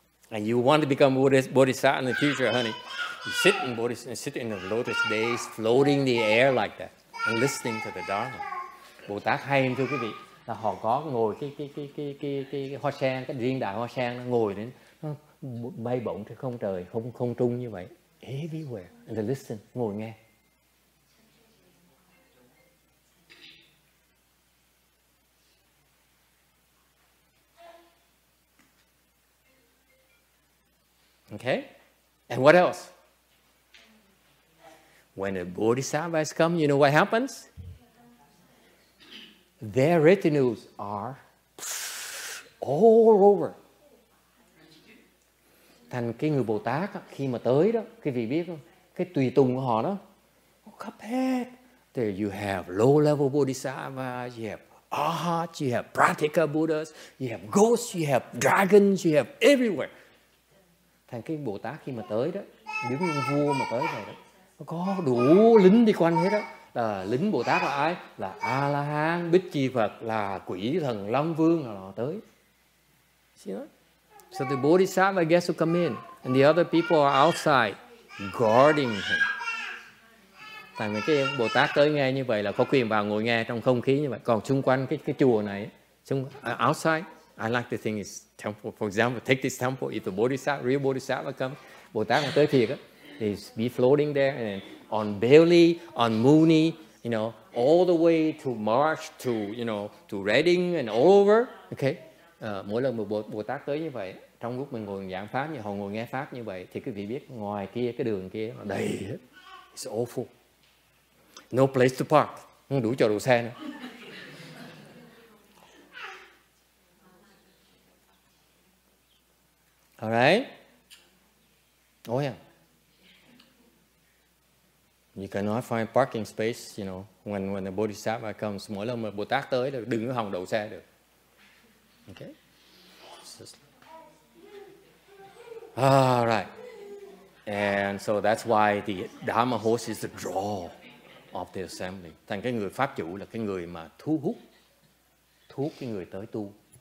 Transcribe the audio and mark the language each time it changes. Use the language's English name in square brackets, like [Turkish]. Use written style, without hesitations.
[English] And you want to become Bodhisattva in the future, honey. You sit in the lotus days, floating in the air like that. And listening to the Dharma. [Vietnamese] Bồ Tát hay em thưa quý vị. Là họ có ngồi cái hoa sen, cái riêng đại hoa sen ngồi đến bay bổng trên không trời, không trung như vậy. [English] Everywhere. And they listen, [Vietnamese] ngồi nghe. [English] Okay. And what else? When a Bodhisattva has come, you know what happens? Their retinues are all over. [Vietnamese] Thành cái người Bồ Tát á, khi mà tới đó, cái vị biết không? Cái tùy tùng của họ đó, khắp hết. [English] There you have low-level Bodhisattvas, you have Arhats, you have Pratika Buddhas, you have ghosts, you have dragons, you have everywhere. [Vietnamese] thành cái Bồ Tát khi mà tới đó, giống như vua mà tới rồi đó, nó có đủ lính đi quanh hết đó. Là lính Bồ Tát là ai? Là A La Hán, Bích Chi Phật, là quỷ thần Long Vương là họ tới. [English] So the Bodhisattva gets to come in, and the other people are outside guarding him. [Vietnamese] Tại vì cái Bồ Tát tới nghe như vậy là có quyền vào ngồi nghe trong không khí như vậy. Còn xung quanh cái chùa này, xung [English] outside, I like to think it's temple. For example, take this temple. If the Bodhisattva, real Bodhisattva come, [Vietnamese] Bồ Tát mà tới thiệt á, [English] he's be floating there and on Bali, on Mooney, you know, all the way to March to, you know, to Reading and all over. Okay. [Vietnamese] Mỗi lần một Bồ Tát tới như vậy, trong lúc mình ngồi giảng pháp như họ ngồi nghe pháp như vậy, thì quý vị biết ngoài kia cái đường kia nó đầy hết. [English] It's awful. No place to park. [Vietnamese] Không đủ chỗ đậu xe nữa. [English] All right. Oh yeah. You cannot find parking space, you know, when the Bodhisattva comes. [Vietnamese] Mỗi lần mà Bồ Tát tới là đừng có hòng đậu xe được. [English] Okay. All right. And so that's why the Dharma host is the draw of the assembly. [Vietnamese] Thành cái người pháp chủ là cái người mà thu hút cái người tới tu.